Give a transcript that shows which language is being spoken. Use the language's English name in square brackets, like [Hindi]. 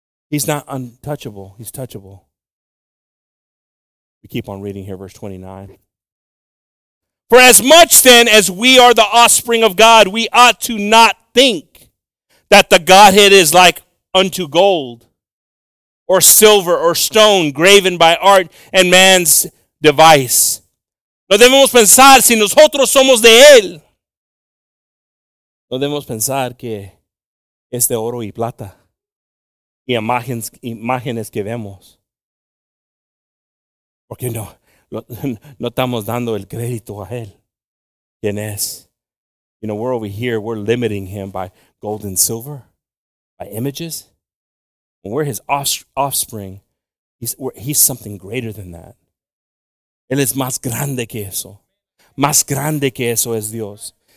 [English] He's not untouchable. He's touchable. We keep on reading here, verse 29. For as much then as we are the offspring of God, we ought to not think that the Godhead is like unto gold or silver or stone graven by art and man's device. [Spanish] No debemos pensar si nosotros somos de él. No debemos pensar que es de oro y plata y imágenes que vemos. Porque no estamos dando el crédito a él. ¿Quién es? [English] You know, we're over here, we're limiting him by gold and silver, by images. When we're his offspring, he's something greater than that. [Spanish] Él es más grande que eso. Más grande que eso es Dios.